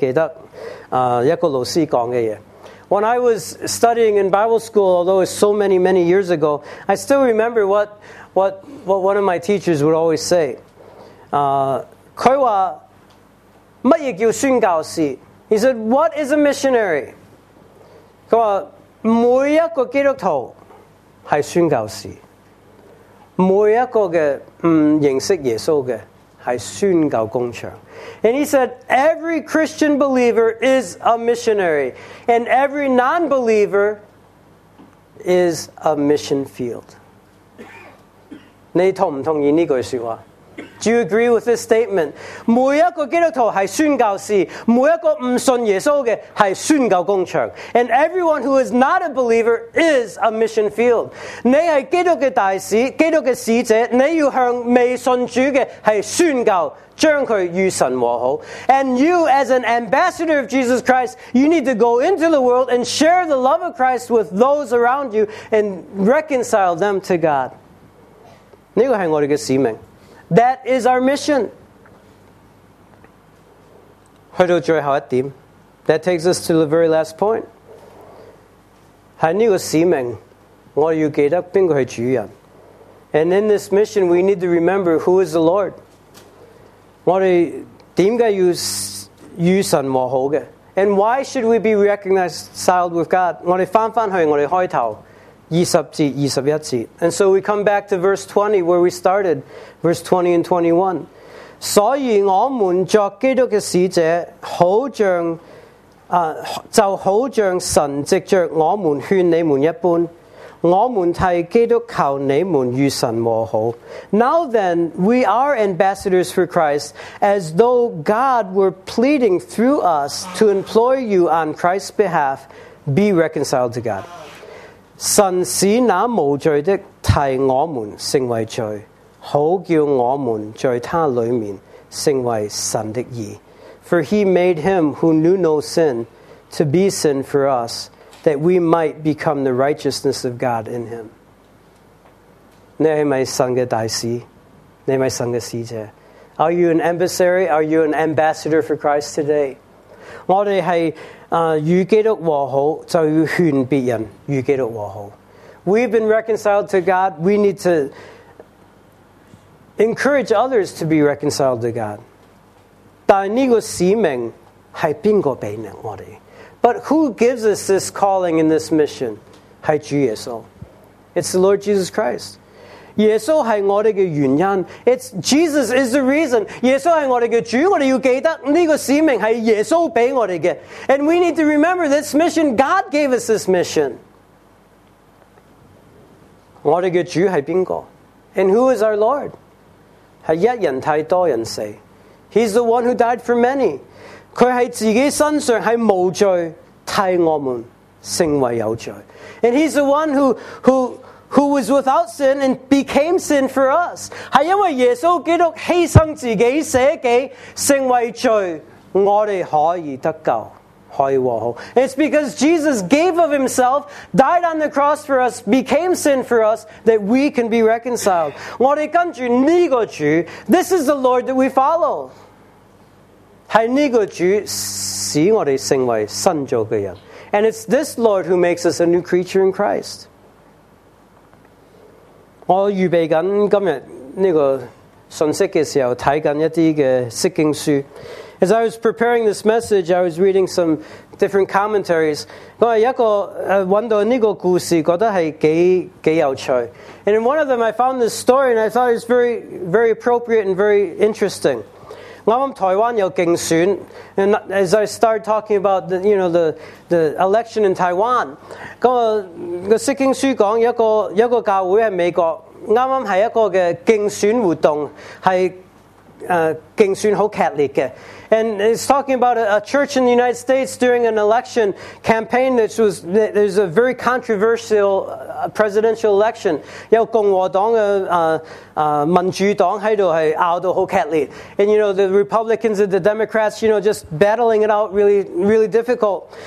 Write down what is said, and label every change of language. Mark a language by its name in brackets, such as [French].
[Cantonese] 我读圣经学院的时候，虽然好多年前的，都是记得一个老师讲的嘢。 [English] When I was studying in Bible school, although it was so many, many years ago, I still remember what one of my teachers would always say. [Cantonese] 他说, 什么叫宣教士? [English] He said, what is a missionary? [Cantonese] 他说,每一个基督徒是宣教士。每一个不认识耶稣的是宣教工场。 [English] And he said, every Christian believer is a missionary. And every non-believer is a mission field. [Cantonese] 你同唔同意呢句说话？ [English] Do you agree with this statement? [Cantonese] 每一个基督徒是宣教士，每一个不信耶稣的是宣教工场。 [English] And everyone who is not a believer is a mission field. [Cantonese] 你是基督的大使，基督的使者，你要向未信主的是宣教，将他与神和好。 [English] And you as an ambassador of Jesus Christ, you need to go into the world and share the love of Christ with those around you and reconcile them to God. [Cantonese] 这个是我们的使命。 [English] That is our mission. [Cantonese] 去到最后一点， [English] That takes us to the very last point. [Cantonese] 在这个使命，我要记得谁是主人。 [English] And in this mission, we need to remember who is the Lord. [Cantonese] 我们为什么与神和好的？ [English] And why should we be reconciled with God? [Cantonese] 我们翻翻去我们开头20节、21节。 [English] And so we come back to verse 20 where we started, verse 20 and 21. [Cantonese] 所以我们作基督的使者，就好像神藉着我们劝你们一般，我们替基督求你们与神和好。 [English] Now then, we are ambassadors for Christ, as though God were pleading through us to implore you on Christ's behalf, be reconciled to God. [Cantonese] 神使那无罪的替我们成为罪，好叫我们在他里面成为神的义。 [English] For he made him who knew no sin to be sin for us, that we might become the righteousness of God in him. [Cantonese] 你是咪神的大使？你是咪神的使者？ [English] Are you an emissary? Are you an ambassador for Christ today? [Cantonese] 我们是与基督和好，就要劝别人与基督和好。 [English] We've been reconciled to God. We need to encourage others to be reconciled to God. [Cantonese] 但这个使命是谁给我们？ [English] But who gives us this calling and this mission? [Cantonese] 是主耶稣。 [English] It's the Lord Jesus Christ. [Cantonese] 耶稣是我们的原因。 [English] Jesus is the reason. [Cantonese] 耶稣是我们的主。我们要记得这个使命是耶稣给我们的。 [English] And we need to remember this mission. God gave us this mission. [Cantonese] 我们的主是谁？ [English] And who is our Lord? [Cantonese] 是一人替多人死。 [English] He's the one who died for many. [Cantonese] 他在自己身上是无罪，替我们成为有罪。 [English] And he's the one who was without sin and became sin for us. [Cantonese] 是因为耶稣基督牺牲自己舍己成为罪，我们可以得救，可以和好。 [English] It's because Jesus gave of himself, died on the cross for us, became sin for us, that we can be reconciled. [Cantonese] 我们跟着这个主， [English] This is the Lord that we follow. [Cantonese] 是这个主使我们成为新造的人。 [English] And it's this Lord who makes us a new creature in Christ. [Cantonese] 我预备今天这个信息的时候，看着一些释经书。 [English] As I was preparing this message, I was reading some different commentaries. [Cantonese] 我有一个找到这个故事，觉得是挺有趣。 [English] And in one of them, I found this story, and I thought it was very, very appropriate and very interesting. [Cantonese] 刚刚台湾有竞选， [English] and as I started talking about the, you know, the election in Taiwan, [Cantonese] 那个释经书讲一个教会在美国，刚刚是一个竞选活动，是竞选很剧烈的。 [English] And it's talking about a church in the United States during an election campaign that was a very controversial presidential election. [Cantonese] 有共和党的民主党在这里拗得很激烈。 [English] And you know, the Republicans and the Democrats, you know, just battling it out really, really difficult.